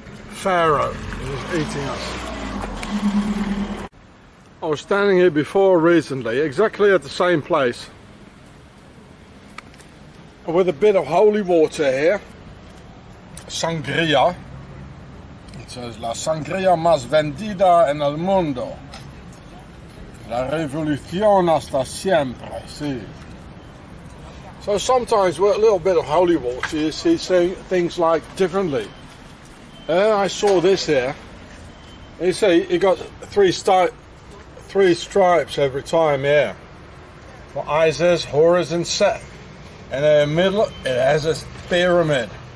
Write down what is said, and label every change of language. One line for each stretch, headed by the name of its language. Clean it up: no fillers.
English: Pharaoh is eating us. I was standing here before recently, exactly at the same place, with a bit of holy water here, sangria. It says,
Spanish: la sangria más vendida en el mundo. La revolución hasta siempre, sí.
English: So sometimes with a little bit of holy water, you see things like differently. And I saw this here. And you see, you got three stripes every time here. For Isis, Horus, and Seth. And in the middle, it has this pyramid.